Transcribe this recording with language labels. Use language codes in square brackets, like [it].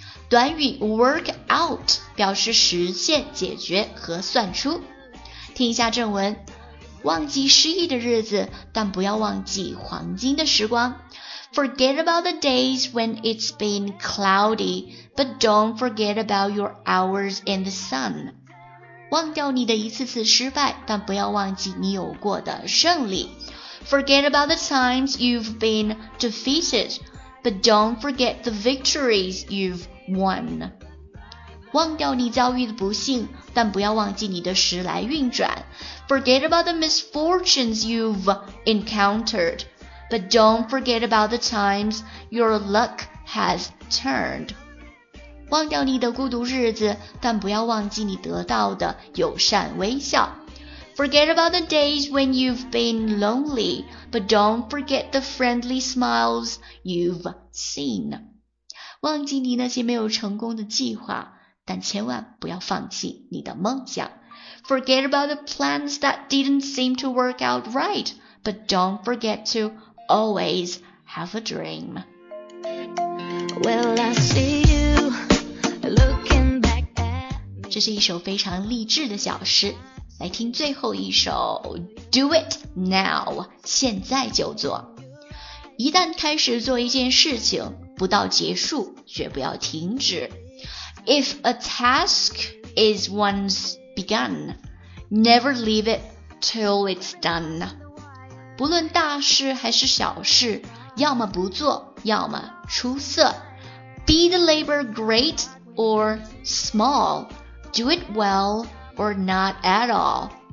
[zh] 短语 work out 表示实现、解决和算出。听一下正文：忘记失意的日子，但不要忘记黄金的时光。 [en] Forget about the days when it's been cloudy, but don't forget about your hours in the sun. [zh] 忘掉你的一次次失败，但不要忘记你有过的胜利。 [en] Forget about the times you've been defeated, but don't forget the victories you've won. [zh] 忘掉你遭遇的不幸，但不要忘记你的时来运转。 [en] Forget about the misfortunes you've encountered, but don't forget about the times your luck has turned. [zh] 忘掉你的孤独日子，但不要忘记你得到的友善微笑。 [en] Forget about the days when you've been lonely, but don't forget the friendly smiles you've seen. [zh] 忘记你那些没有成功的计划，但千万不要放弃你的梦想。 [en] Forget about the plans that didn't seem to work out right, but don't forget to always have a dream. Well, I see you looking back at me. [zh] 这是一首非常励志的小诗。来听最后一首 [en] Do it now, [zh] 现在就做。一旦开始做一件事情，不到结束，绝不要停止。 [en] If a task is once begun, never leave it till it's done. [zh] 不论大事还是小事，要么不做，要么出色。 [en] Be the labor great or small, do it well or not at all.